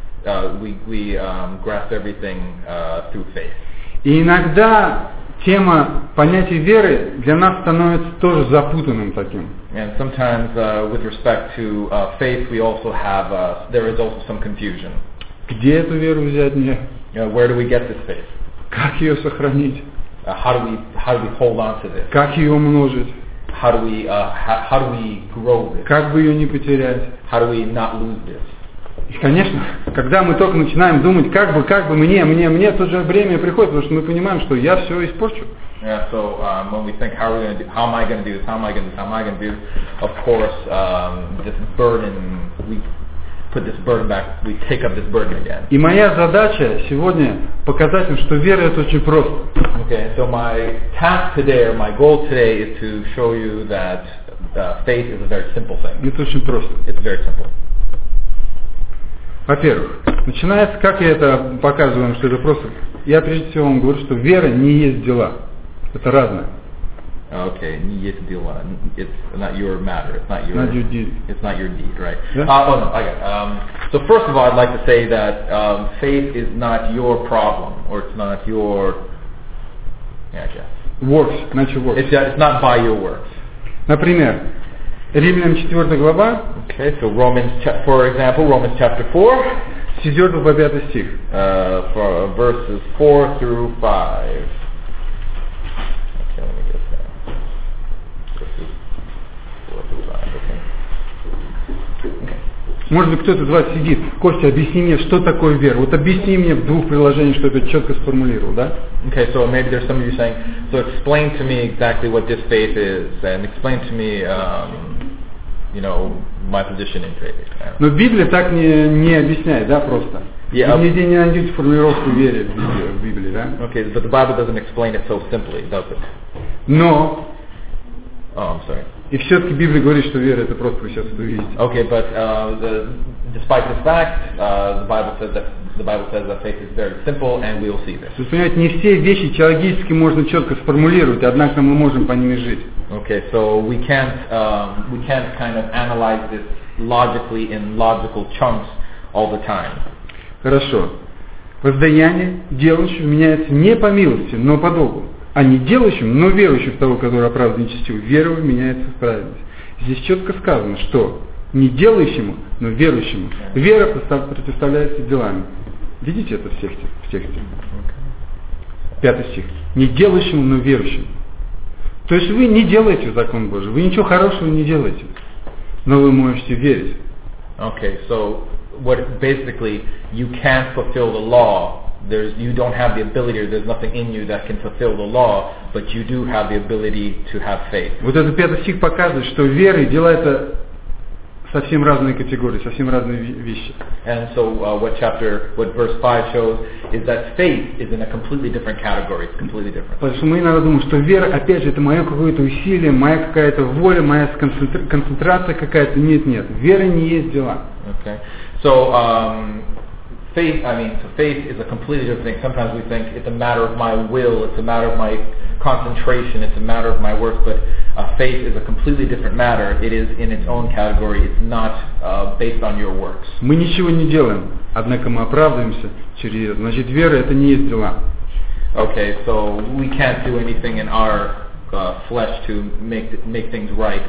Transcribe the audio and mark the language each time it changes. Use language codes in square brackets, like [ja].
[en] We grasp everything through faith. [ru] И иногда тема понятия веры для нас становится тоже запутанным таким. [en] And sometimes with respect to faith, we also have there is also some confusion. [ru] Где эту веру взять мне? [en] Where do we get this faith? [ru] Как ее сохранить? [en] How do we hold on to this? [ru] Как ее умножить? [en] How do we grow this? [ru] Как бы ее не потерять? [en] How do we not lose this? [ru] И, конечно, когда мы только начинаем думать, как бы мне, тут же бремя приходит, потому что мы понимаем, что я все испорчу. [en] Yeah, so when we think, how am I going to do this, of course, this burden, we put this burden back, we take up this burden again. [ru] И моя задача сегодня показать им, что вера — это очень просто. [en] Okay, so my task today, or my goal today, is to show you that faith is a very simple thing. [ru] Это очень просто. [en] It's very simple. [ru] Во-первых, начинается, как я это показываю, что это просто. Я прежде всего вам говорю, что вера не есть дела. Это разное. [en] Okay, [ru] не есть дела. [en] It's not your matter. It's not your. Not your deed. It's not your deed, right? Yeah? Oh no, I got it. So first of all, I'd like to say that faith is not your problem, or it's not your. Yeah, works, not your works. It's not by your works. [ru] Например, Римлянам 4 глава. [en] Okay, so Romans, for example, Romans chapter 4. [ru] С 4 по 5 стих. [en] Verses 4 through 5. Okay, let me get that. [ru] Может быть, кто-то из вас сидит. Костя, объясни мне, что такое вера. Вот объясни мне в двух приложениях, что я это четко сформулировал, да? [en] Okay, so maybe there's some of you saying, so explain to me exactly what this faith is, and explain to me, you know, my position in faith. [ru] Но Библия так не объясняет, да, просто. [en] Yeah. [ru] Нигде не найдете формулировку веры в Библии, да? [en] Okay, but the Bible doesn't explain it so simply, does it? [ru] Но. [en] Oh, I'm sorry. [ru] И все-таки Библия говорит, что вера — это просто, вы сейчас это видите. [en] Okay, but despite this fact, the Bible says that faith is very simple, and we will see this. [ru] То есть, понимаете, не все вещи теологически можно четко сформулировать, однако мы можем по ними жить. [en] Okay, so we can't kind of analyze this logically in logical chunks all the time. [ru] Хорошо. Воздаяние делающего меняется не по милости, но по долгу. А не делающим, но верующим в того, который оправдан нечестивым, верою меняется в праведность. Здесь четко сказано, что не делающему, но верующему. Вера противоставляется делами. Видите это в тексте? Пятый стих. Не делающему, но верующему. То есть вы не делаете закон Божий, вы ничего хорошего не делаете, но вы можете верить. [en] Okay, so what basically you can't fulfill the law. There's you don't have the ability, or there's nothing in you that can fulfill the law, but you do have the ability to have faith. [ru] Вот этот пятый стих показывает, что вера и дела — это совсем разные категории, совсем разные вещи. [en] And so what verse 5 shows is that faith is in a completely different category. It's completely different. [ru] Потому что мы иногда думаем, что вера, опять же, это мое какое-то усилие, моя какая-то воля, моя концентрация какая-то. Нет, вера не есть дела. [en] Okay. So faith is a completely different thing. Sometimes we think it's a matter of my will, it's a matter of my concentration, it's a matter of my work, but faith is a completely different matter. It is in its own category. It's not based on your works. [ru] Мы ничего не делаем, однако мы оправдываемся через это. Значит, вера — это не есть дела. [en] Okay, so we can't do anything in our flesh to make things right.